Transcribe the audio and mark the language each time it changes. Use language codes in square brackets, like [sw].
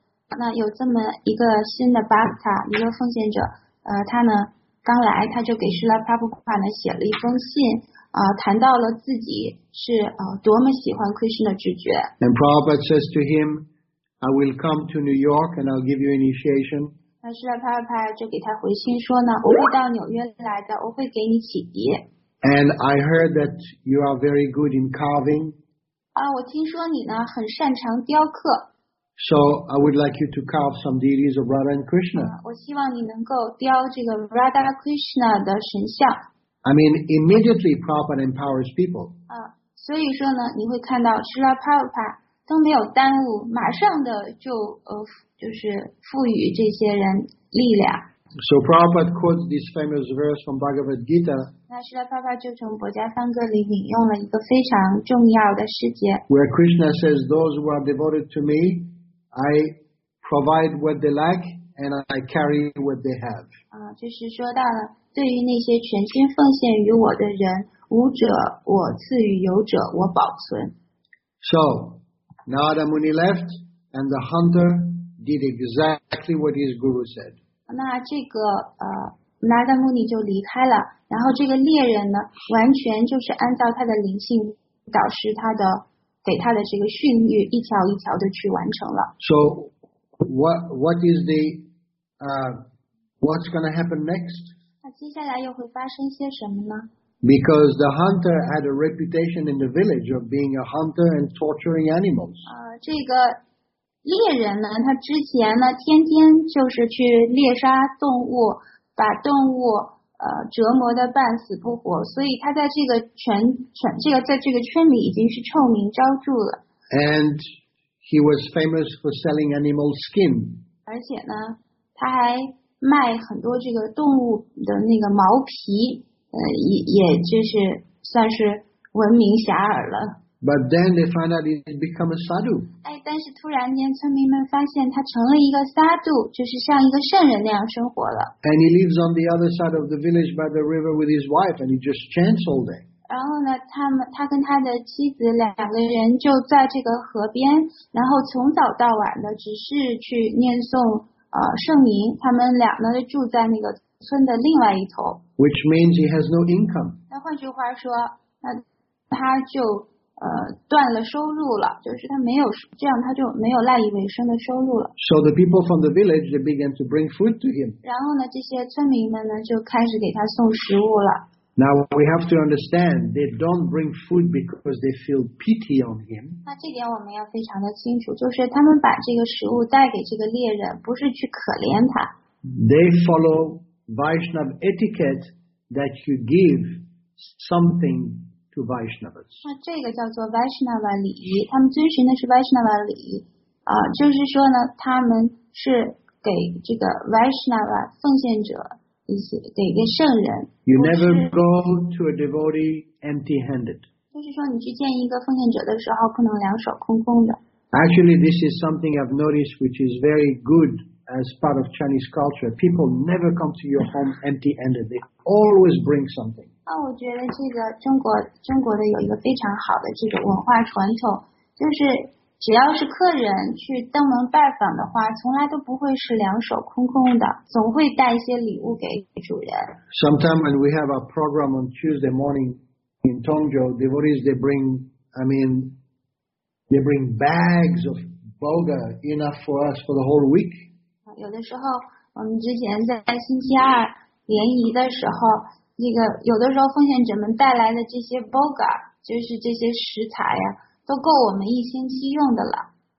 [zh] 那有这么一个新的 Bhakta, 一个奉献者，他呢刚来他就给Srila Prabhupada呢写了一封信，谈到了自己是多么喜欢 Krishna 知觉。 [en] And Prabhupada says to him, I will come to New York and I'll give you initiation. [zh] Srila Prabhupada就给他回信说呢，我会到纽约来的，我会给你启迪。 [en] And I heard that you are very good in carving. [zh] 我听说你呢很擅长雕刻。 [en] So I would like you to carve some deities of Radha and Krishna. [zh] 我希望你能够雕这个 Radha Krishna 的神像。 [en] I mean, immediately Prabhupada empowers people. [zh] 所以说呢，你会看到 Srila Prabhupada 都没有耽误，马上的就是赋予这些人力量。 [en] So Prabhupada quotes this famous verse from Bhagavad Gita. [zh] 那Srila Prabhupada就从《博伽梵歌》里引用了一个非常重要的世界。 [en] Where Krishna says, "Those who are devoted to me." I provide what they lack, and I carry what they have. [zh] 就是说到了对于那些全心奉献于我的人，无者我赐予，有者我保存。 [en] So, Narada Muni left, and the hunter did exactly what his guru said. [zh] 那这个Narada Muni 就离开了，然后这个猎人呢，完全就是按照他的灵性导师他的。给他的这个训谕一条一条的去完成了。 [en] So, what's going to happen next? [zh] 那接下来又会发生些什么呢？ [en] Because the hunter had a reputation in the village of being a hunter and torturing animals. [zh] 这个猎人呢，他之前呢，天天就是去猎杀动物，把动物折磨的半死不活，所以他在这个在这个圈里已经是臭名昭著了。 [en] And he was famous for selling animal skin. [zh] 而且呢，他还卖很多这个动物的那个毛皮，也就是算是闻名遐迩了。 [en] But then they find out he's become a sadhu. [zh] 但是突然间村民们发现他成了一个 sadhu， 就是像一个圣人那样生活了。 [en] And he lives on the other side of the village by the river with his wife, and he just chants all day. [zh] 然后呢，他跟他的妻子两个人就在这个河边，然后从早到晚的只是去念诵圣名。他们俩呢就住在那个村的另外一头。 [en] Which means he has no income. [zh] 那换句话说，那他就断了收入了，就是他没有，这样他就没有赖以为生的收入了。 [en] So the people from the village, they began to bring food to him. [zh] 然后呢，这些村民们呢，就开始给他送食物了。 [en] Now we have to understand, they don't bring food because they feel pity on him. [zh] 那这点我们要非常的清楚，就是他们把这个食物带给这个猎人，不是去可怜他。 [en] They follow Vaishnava etiquette that you give something. [zh] 那这个叫做 Vaishnava 礼仪，他们遵循的是 Vaishnava 礼仪，就是说呢，他们是给这个 Vaishnava 奉献者一些给一个圣人。 [en] You never go to a devotee empty-handed. [zh] 就是说，你去见一个奉献者的时候，不能两手空空的。 [en] Actually, this is something I've noticed, which is very good as part of Chinese culture. People never come to your home empty-handed. They always bring something. [zh] 我觉得这个中国的有一个非常好的这个文化传统，就是只要是客人去登门拜访的话，从来都不会是两手空空的，总会带一些礼物给主人。 [en] Sometimes when we have a program on Tuesday morning in Tongzhou, devotees they bring bags of boga enough for us for the whole week. [zh] 有的时候，我们之前在星期二联谊的时候，那个有的时候奉献者们带来的这些 boga 就是这些食材呀、啊。都够我们一星期用的了。